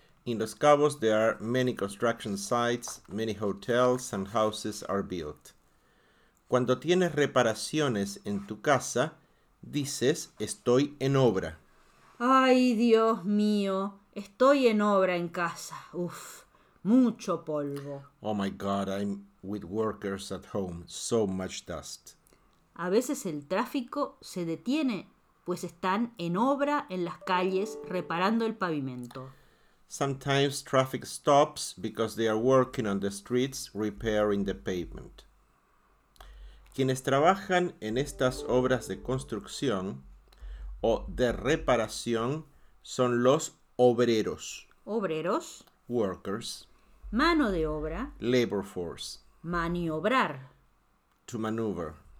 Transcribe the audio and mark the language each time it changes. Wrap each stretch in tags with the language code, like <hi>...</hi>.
<en>In Los Cabos there are many construction sites, many hotels and houses are built.</en> <es>Cuando tienes reparaciones en tu casa, dices, estoy en obra. Ay, Dios mío, estoy en obra en casa. Uf, mucho polvo.</es> <en>Oh my God, I'm with workers at home, so much dust.</en> <es>A veces el tráfico se detiene, pues están en obra en las calles reparando el pavimento.</es> <en>Sometimes traffic stops because they are working on the streets repairing the pavement.</en> <es>Quienes trabajan en estas obras de construcción o de reparación son los obreros. Obreros,</es> <en>Workers.</en> <es>mano de obra,</es> <en>Labor force.</en> <es>maniobrar,</es> <en>To maneuver.</en>